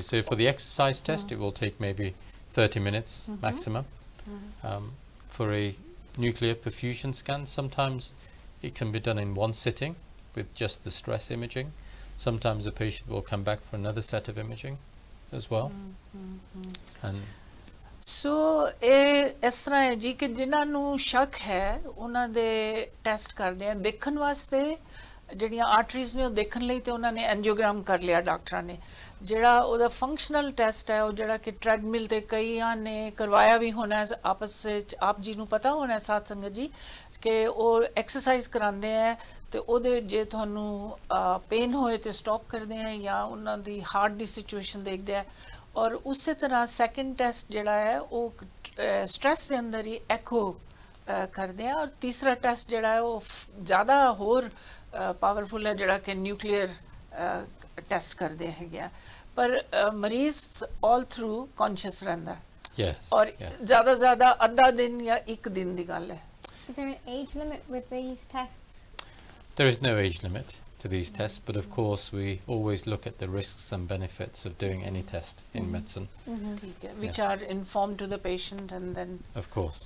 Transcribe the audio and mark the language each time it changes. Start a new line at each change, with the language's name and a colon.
English: So for the exercise test, it will take maybe 30 minutes maximum. For a nuclear perfusion scan, sometimes it can be done in one sitting with just the stress imaging. Sometimes a patient will come back for another set of imaging as well. And
Punjabi: ਸੋ ਇਹ ਇਸ ਤਰ੍ਹਾਂ ਹੈ ਜੀ ਕਿ ਜਿਨ੍ਹਾਂ ਨੂੰ ਸ਼ੱਕ ਹੈ ਉਹਨਾਂ ਦੇ ਟੈਸਟ ਕਰਦੇ ਆ ਦੇਖਣ ਵਾਸਤੇ ਜਿਹੜੀਆਂ ਆਰਟਰੀਜ਼ ਨੇ ਉਹ ਦੇਖਣ ਲਈ ਤੇ ਉਹਨਾਂ ਨੇ ਐਨਜੀਓਗ੍ਰਾਮ ਕਰ ਲਿਆ ਡਾਕਟਰਾਂ ਨੇ ਜਿਹੜਾ ਉਹਦਾ ਫੰਕਸ਼ਨਲ ਟੈਸਟ ਹੈ ਉਹ ਜਿਹੜਾ ਕਿ ਟ੍ਰੈਡਮਿਲ ਤੇ ਕਈਆਂ ਨੇ ਕਰਵਾਇਆ ਵੀ ਹੋਣਾ ਆਪਸ ਵਿੱਚ ਆਪ ਜੀ ਨੂੰ ਪਤਾ ਹੋਣਾ ਸਾਧ ਸੰਗਤ ਜੀ ਕਿ ਉਹ ਐਕਸਰਸਾਈਜ਼ ਕਰਾਉਂਦੇ ਆ ਤੇ ਉਹਦੇ ਜੇ ਤੁਹਾਨੂੰ ਪੇਨ ਹੋਏ ਤੇ ਸਟੋਪ ਕਰਦੇ ਆ ਜਾਂ ਉਹਨਾਂ ਦੀ ਹਾਰਟ ਦੀ ਸਿਚੁਏਸ਼ਨ ਦੇਖਦੇ ਆ ਔਰ ਉਸੇ ਤਰ੍ਹਾਂ ਸੈਕਿੰਡ ਟੈਸਟ ਜਿਹੜਾ ਹੈ ਉਹ ਸਟ੍ਰੈਸ ਦੇ ਅੰਦਰ ਹੀ ਐਕੋ ਕਰਦੇ ਆ ਔਰ ਤੀਸਰਾ ਟੈਸਟ ਜਿਹੜਾ ਹੈ ਉਹ ਜ਼ਿਆਦਾ ਹੋਰ ਪਾਵਰਫੁਲ ਹੈ ਜਿਹੜਾ ਕਿ ਨਿਊਕਲੀਅਰ ਟੈਸਟ ਕਰਦੇ ਹੈਗੇ ਆ ਪਰ ਮਰੀਜ਼
English: all through conscious
Punjabi: ਰਹਿੰਦਾ ਔਰ ਜ਼ਿਆਦਾ ਜ਼ਿਆਦਾ ਅੱਧਾ ਦਿਨ ਜਾਂ ਇੱਕ ਦਿਨ ਦੀ ਗੱਲ ਹੈ
English: Is there an age limit with these tests? There is no age limit to these tests, but of course we always look at the risks and benefits of doing any test in medicine. Mm-hmm. Which are informed to the patient and then... Of course,